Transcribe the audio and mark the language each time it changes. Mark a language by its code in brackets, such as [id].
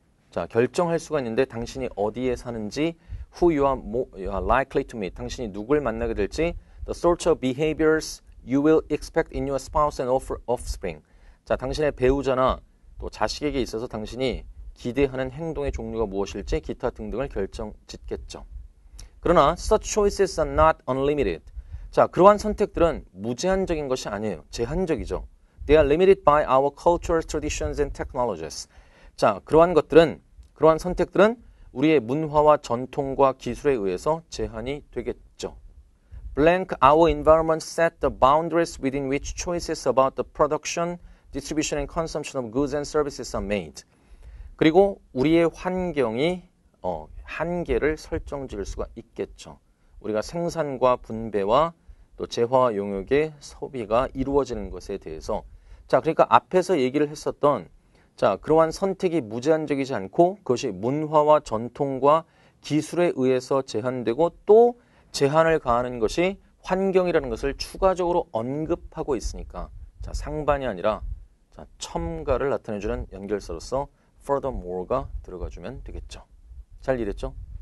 [ko] 자, 결정할 수가 있는데 당신이 어디에 사는지, [en] who you are likely to meet, [ko] 당신이 누굴 만나게 될지, [en] the sorts of behaviors you will expect in your spouse and offspring. [ko] 자, 당신의 배우자나 또 자식에게 있어서 당신이 기대하는 행동의 종류가 무엇일지 기타 등등을 결정짓겠죠. [en] 그러나 such choices are not unlimited. [ko] 자, 그러한 선택들은 무제한적인 것이 아니에요. 제한적이죠. [en] They are limited by our cultural traditions and technologies. [ko] 자, 그러한 선택들은 우리의 문화와 전통과 기술에 의해서 제한이 되겠죠. [en] Blank, our environment set the boundaries within which choices about the production, distribution and consumption of goods and services are made. [ko] 그리고 우리의 환경이 한계를 설정지을 수가 있겠죠. 우리가 생산과 분배와 또 재화 용역의 소비가 이루어지는 것에 대해서. 자, 그러니까 앞에서 얘기를 했었던 자, 그러한 선택이 무제한적이지 않고 그것이 문화와 전통과 기술에 의해서 제한되고 또 제한을 가하는 것이 환경이라는 것을 추가적으로 언급하고 있으니까 자, 상반이 아니라 자, 첨가를 나타내주는 연결사로서 furthermore가 들어가주면 되겠죠. 잘 이해됐죠?